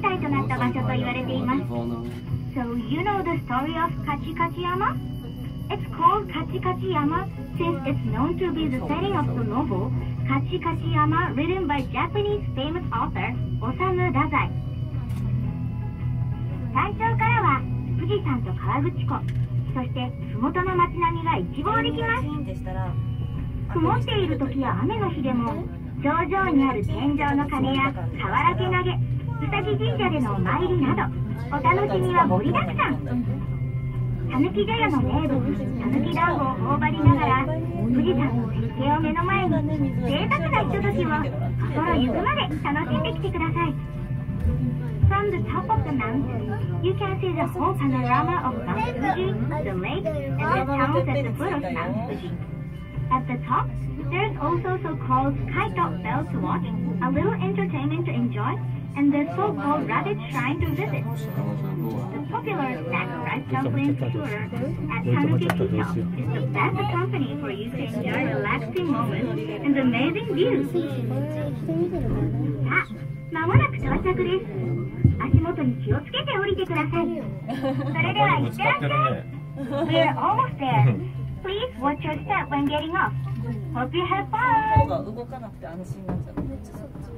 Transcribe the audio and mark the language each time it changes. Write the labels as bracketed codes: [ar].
[en] So you know the story of Kachi Kachi Yama? It's called Kachi Kachi Yama since it's known to be the setting of the novel Kachi Kachi Yama, written by Japanese famous author Osamu Dazai. [ja] 山頂からは富士山と河口湖、そして麓の町並みが一望できます。曇っている時や雨の日でも、頂上にある天井の鐘や瓦手投げ、うさぎ神社でのお参りなど、お楽しみは盛りだくさん。たぬき茶屋の名物、たぬき団子を頬張りながら、富士山の絶景を目の前に、贅沢なひとときを心ゆくまで楽しんできてください。 [en] From the top of the mountain, you can see the whole panorama of Mount Fuji, the lake, and the towns at the foot of Mount Fuji. At the top, there's also so-called Kaito Bell to watch, a little entertainment to enjoy, and the so-called rabbit shrine to visit. The popular snack fried dumplings tour at Tanuki Kito is the best company for you to enjoy relaxing moments and amazing views. [ja] まもなく到着です。足元に気をつけて降りてください。それでは行ってらっしゃい。 [en] We are almost there. Please watch your step when getting off. Hope you have fun. [ja] 動かなくて安心になっちゃう。